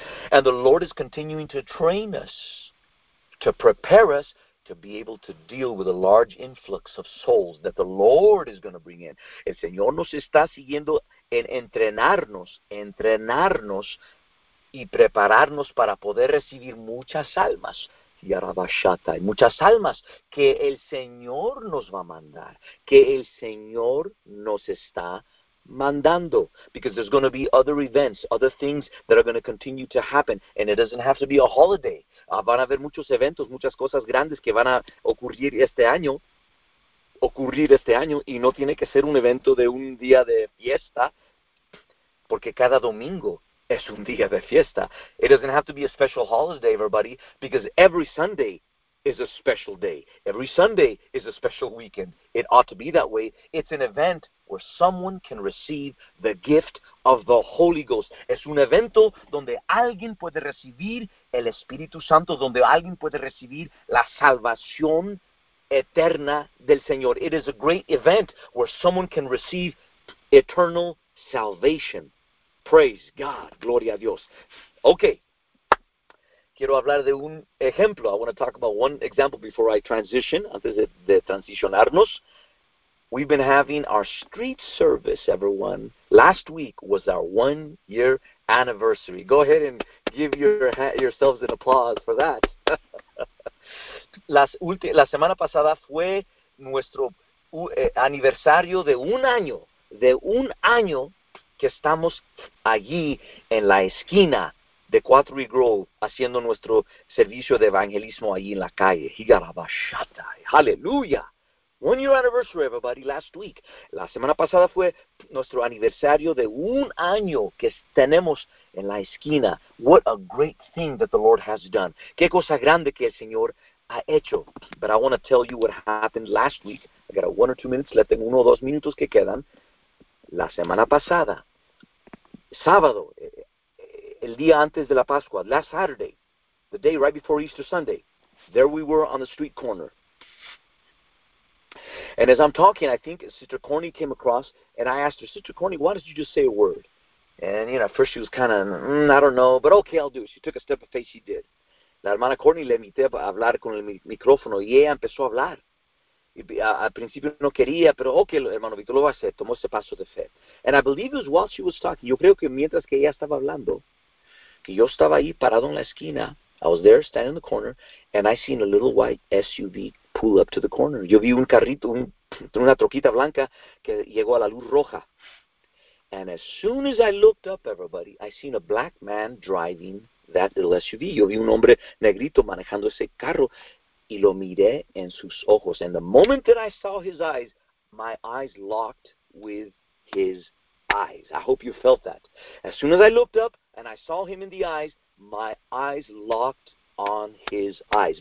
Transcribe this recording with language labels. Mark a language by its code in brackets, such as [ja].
[en] And the Lord is continuing to train us, to prepare us to be able to deal with a large influx of souls that the Lord is going to bring in. [es] El Señor nos está siguiendo en entrenarnos y prepararnos para poder recibir muchas almas. Y arabashata, muchas almas que el Señor nos va a mandar, que el Señor nos está mandando. [en] Because there's going to be other events, other things that are going to continue to happen, and it doesn't have to be a holiday. [es] Van a haber muchos eventos, muchas cosas grandes que van a ocurrir este año, y no tiene que ser un evento de un día de fiesta, porque cada domingo es un día de fiesta. [en] It doesn't have to be a special holiday, everybody, because every Sunday is a special day. Every Sunday is a special weekend. It ought to be that way. It's an event where someone can receive the gift of the Holy Ghost. Es un evento donde alguien puede recibir el Espíritu Santo, donde alguien puede recibir la salvación eterna del Señor. It is a great event where someone can receive eternal salvation. Praise God. [es] Gloria a Dios. Okay. Quiero hablar de un ejemplo. [en] I want to talk about one example before I transition. [es] Antes de transicionarnos. [en] We've been having our street service, everyone. Last week was our 1-year anniversary. Go ahead and give yourselves an applause for that. [es] La semana pasada fue nuestro aniversario de un año. De un año que estamos allí en la esquina de 4 y Grove haciendo nuestro servicio de evangelismo allí en la calle. Higarabashata. Hallelujah. [en] 1-year anniversary, everybody, last week. [es] La semana pasada fue nuestro aniversario de un año que tenemos en la esquina. [en] What a great thing that the Lord has done. [es] Qué cosa grande que el Señor ha hecho. [en] But I want to tell you what happened last week. I got 1 or 2 minutes. [es] Le tengo 1 o 2 minutos que quedan. La semana pasada, sábado, el día antes de la Pascua, [en] last Saturday, the day right before Easter Sunday, there we were on the street corner. And as I'm talking, I think Sister Corny came across, and I asked her, Sister Corny, why did you just say a word? And, you know, at first she was kind of, I don't know, but okay, I'll do it. She took a step of faith, she did. [es] La hermana Corny le invité a hablar con el micrófono, y ella empezó a hablar. Al principio no quería, pero okay, hermano Víctor, lo va a hacer. Tomó ese paso de fe. [en] And I believe it was while she was talking. [es] Yo creo que mientras que ella estaba hablando, que yo estaba ahí parado en la esquina. [en] I was there standing in the corner, and I seen a little white SUV pull up to the corner. [es] Yo vi un carrito, una troquita blanca que llegó a la luz roja. [en] And as soon as I looked up, everybody, I seen a black man driving that little SUV. [es] Yo vi un hombre negrito manejando ese carro. Y lo miré en sus ojos. [en] And the moment that I saw his eyes, my eyes locked with his eyes. I hope you felt that. As soon as I looked up and I saw him in the eyes, my eyes locked on his eyes.